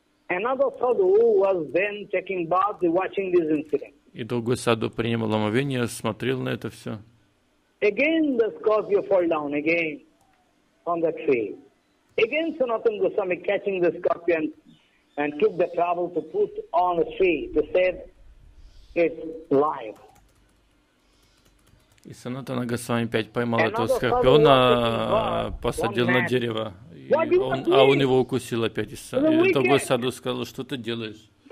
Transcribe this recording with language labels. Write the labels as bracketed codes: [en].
[en] Another sadhu was then taking bath, watching this incident. [ru] И другой саду принимал омовение, смотрел на это все. [en] Again the scorpion fell down again on the tree. Again Sanatana Goswami catching the scorpion and took the trouble to put on the tree to save its life. [ru] И Санатана Госвами опять поймал этого скорпиона, посадил на дерево. Он его укусил опять. И другой саду сказал, что ты делаешь?